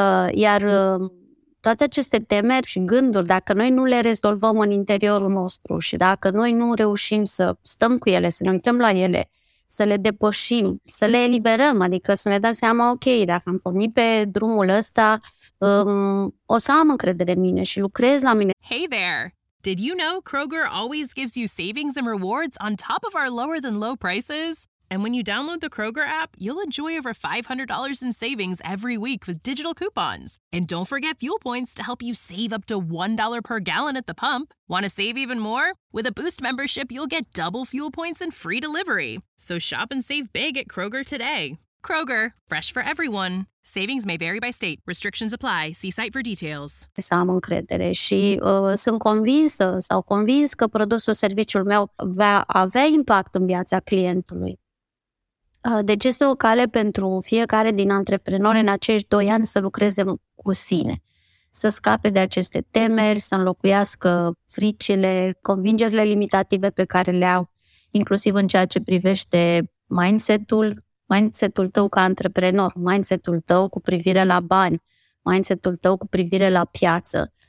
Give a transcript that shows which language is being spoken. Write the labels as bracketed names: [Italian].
[Romanian] Iar toate aceste temeri și gânduri, dacă noi nu le rezolvăm în interiorul nostru și dacă noi nu reușim să stăm cu ele, să ne uităm la ele, să le depășim, să le eliberăm, adică să ne dăm seama, ok, dacă am pornit pe drumul ăsta, o să am încredere în mine și lucrez la mine. [English] Hey there! Did you know Kroger always gives you savings and rewards on top of our lower than low prices? And when you download the Kroger app, you'll enjoy over $500 in savings every week with digital coupons. And don't forget fuel points to help you save up to $1 per gallon at the pump. Want to save even more? With a Boost membership, you'll get double fuel points and free delivery. So shop and save big at Kroger today. Kroger, fresh for everyone. Savings may vary by state. Restrictions apply. See site for details. [Romanian] Să am încredere și sunt convinsă sau convins că produsul, serviciul meu va avea impact în viața clientului. Deci este o cale pentru fiecare din antreprenori în acești 2 ani să lucreze cu sine, să scape de aceste temeri, să înlocuiască fricile, convingerile limitative pe care le au, inclusiv în ceea ce privește mindset-ul, mindset-ul tău ca antreprenor, mindset-ul tău cu privire la bani, mindset-ul tău cu privire la piață.